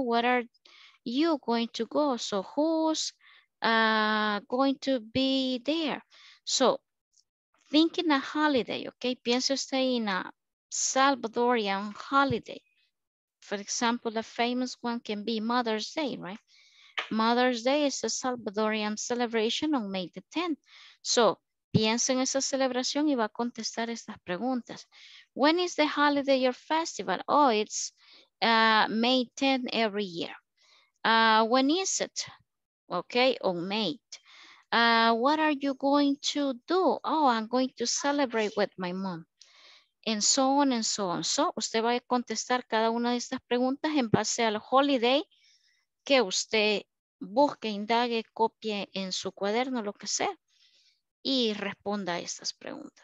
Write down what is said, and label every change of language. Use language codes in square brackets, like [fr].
[en] What are you going to go? So, who's going to be there? So, thinking a holiday, okay? [es] Piense usted en [en] a Salvadorian holiday. For example, the famous one can be Mother's Day, right? Mother's Day is a Salvadorian celebration on May the 10th. [es] So, piensa en esa celebración y va a contestar estas preguntas. [en] When is the holiday or festival? Oh, it's May 10th every year. When is it? Okay, on May. What are you going to do? Oh, I'm going to celebrate with my mom. And so on and so on. [es] So, usted va a contestar cada una de estas preguntas en base al holiday que usted busque, indague, copie en su cuaderno, lo que sea, y responda a estas preguntas.